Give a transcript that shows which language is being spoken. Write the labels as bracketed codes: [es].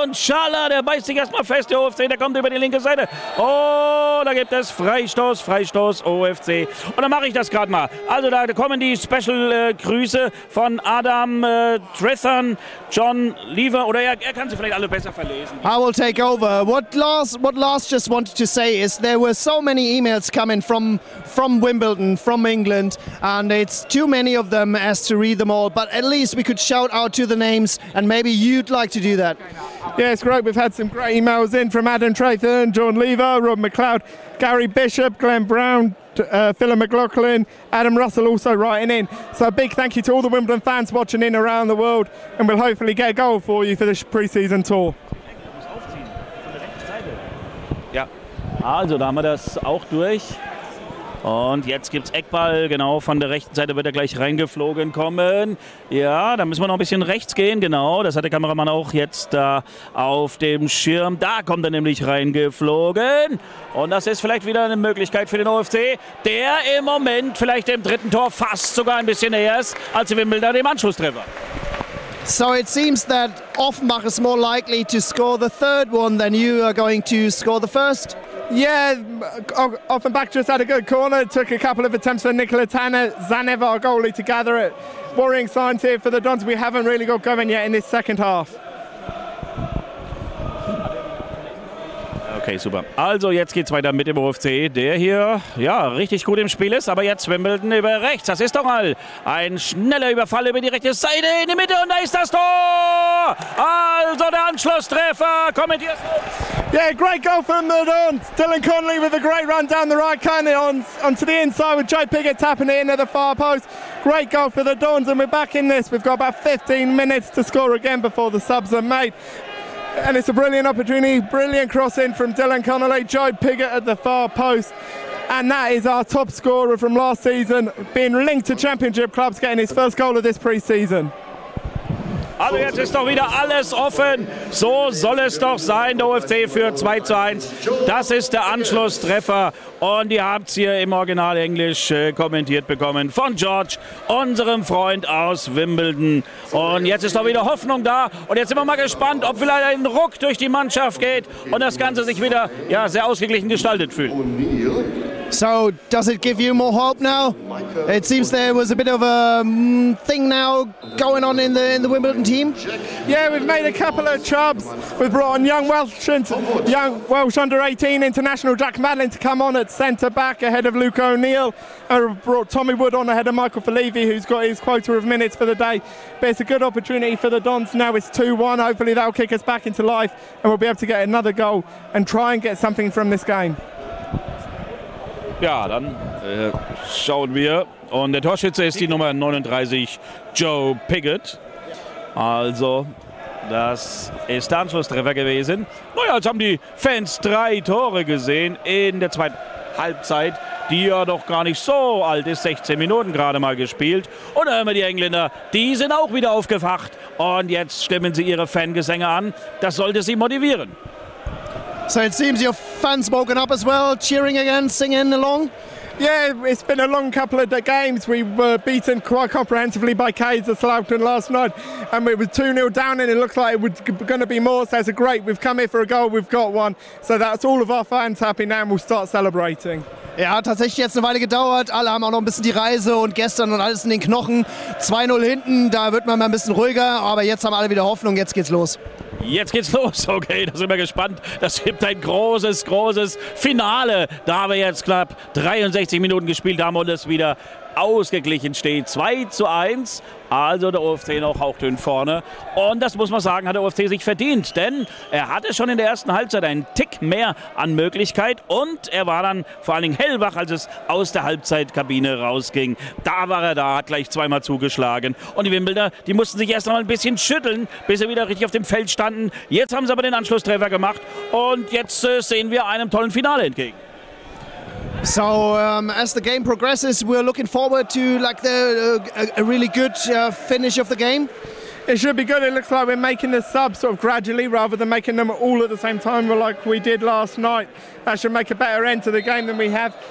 [de] Und Schaller, der beißt sich erstmal fest. Der OFC, der kommt über die linke Seite. Oh, da gibt es Freistoß, OFC. Und dann mache ich das gerade mal. Also da kommen die Special-Grüße von Adam Trithan, John Lever, oder er kann sie vielleicht alle besser verlesen. [en] I will take over. What Lars just wanted to say is there were so many emails coming from Wimbledon, from England, and it's too many of them as to read them all, but at least we could shout out to the names, and maybe you'd like to do that. Yeah, it's great. We've had some great emails in from Adam Trithan, John Lever, Rob McLeod, Gary Bishop, Glenn Brown, Philip McLaughlin, Adam Russell also writing in. So a big thank you to all the Wimbledon fans watching in around the world, and we'll hopefully get a goal for you for this pre-season tour. [de] Ja, also da haben wir das auch durch. Und jetzt gibt's Eckball, genau, von der rechten Seite wird er gleich reingeflogen kommen. Ja, da müssen wir noch ein bisschen rechts gehen, genau, das hat der Kameramann auch jetzt da auf dem Schirm. Da kommt er nämlich reingeflogen und das ist vielleicht wieder eine Möglichkeit für den OFC, der im Moment vielleicht dem dritten Tor fast sogar ein bisschen näher ist als Wimbledon im Anschlusstreffer. [en] So it seems that Offenbach is more likely to score the third one than you are going to score the first. Yeah, Offenbach just had a good corner, took a couple of attempts for Nikola Zanev, our goalie, to gather it. Worrying signs here for the Dons, we haven't really got going yet in this second half. [de] Okay, super. Also jetzt geht's weiter mit dem OFC, der hier ja richtig gut im Spiel ist, aber jetzt Wimbledon über rechts. Das ist doch mal ein schneller Überfall über die rechte Seite in die Mitte und da ist das Tor! Also der Anschlusstreffer, kommentiert. [en] Yeah, great goal from the Dons. Dylan Connolly with a great run down the right corner onto the inside with Joe Piggott tapping it in at the far post. Great goal for the Dons and we're back in this. We've got about 15 minutes to score again before the subs are made. And it's a brilliant opportunity, brilliant crossing from Dylan Connolly, Joe Piggott at the far post. And that is our top scorer from last season, being linked to championship clubs, getting his first goal of this pre-season. [de] Also jetzt ist doch wieder alles offen. So soll es doch sein, der OFC führt 2:1. Das ist der Anschlusstreffer. Und ihr habt es hier im Original Englisch kommentiert bekommen von George, unserem Freund aus Wimbledon. Und jetzt ist doch wieder Hoffnung da. Und jetzt sind wir mal gespannt, ob vielleicht ein Ruck durch die Mannschaft geht und das Ganze sich wieder ja, sehr ausgeglichen gestaltet fühlt. [en] So does it give you more hope now? It seems there was a bit of a thing now going on in the Wimbledon team. Yeah, we've made a couple of chubs. We've brought on young Welsh under 18 international Jack Madlin to come on at centre back ahead of Luke O'Neill. And we've brought Tommy Wood on ahead of Michael Falevi, who's got his quota of minutes for the day. But it's a good opportunity for the Dons. Now it's 2-1. Hopefully that'll kick us back into life and we'll be able to get another goal and try and get something from this game. [de] Ja, dann schauen wir. Und der Torschütze ist die Nummer 39, Joe Piggott. Also, das ist der Anschlusstreffer gewesen. Naja, jetzt haben die Fans drei Tore gesehen in der zweiten Halbzeit, die ja noch gar nicht so alt ist. 16 Minuten gerade mal gespielt. Und hören wir die Engländer, die sind auch wieder aufgewacht. Und jetzt stimmen sie ihre Fangesänge an. Das sollte sie motivieren. [en] So it seems your fans woken up as well, cheering again, singing along. Yeah, it's been a long couple of games. We were beaten quite comprehensively by Kaiserslautern last night and we were 2-0 down and it looked like it was going to be more. So it's great, we've come here for a goal, we've got one. So that's all of our fans happy now and we'll start celebrating. [de] Ja, tatsächlich jetzt eine Weile gedauert. Alle haben auch noch ein bisschen die Reise und gestern und alles in den Knochen. 2-0 hinten, da wird man mal ein bisschen ruhiger. Aber jetzt haben alle wieder Hoffnung, jetzt geht's los. Jetzt geht's los, okay, da sind wir gespannt. Das gibt ein großes, großes Finale, da wir jetzt knapp 63 Minuten gespielt haben und es wieder ausgeglichen steht. 2-1, also der UFC noch hauchdünn vorne. Und das muss man sagen, hat der UFC sich verdient, denn er hatte schon in der ersten Halbzeit einen Tick mehr an Möglichkeit und er war dann vor allen Dingen hellwach, als es aus der Halbzeitkabine rausging. Da war er da, hat gleich zweimal zugeschlagen. Und die Wimbledoner, die mussten sich erst noch mal ein bisschen schütteln, bis sie wieder richtig auf dem Feld standen. Jetzt haben sie aber den Anschlusstreffer gemacht und jetzt sehen wir einem tollen Finale entgegen. [en] So, as the game progresses, we're looking forward to like a really good finish of the game. It should be good. It looks like we're making the subs sort of gradually rather than making them all at the same time like we did last night. That should make a better end to the game than we have.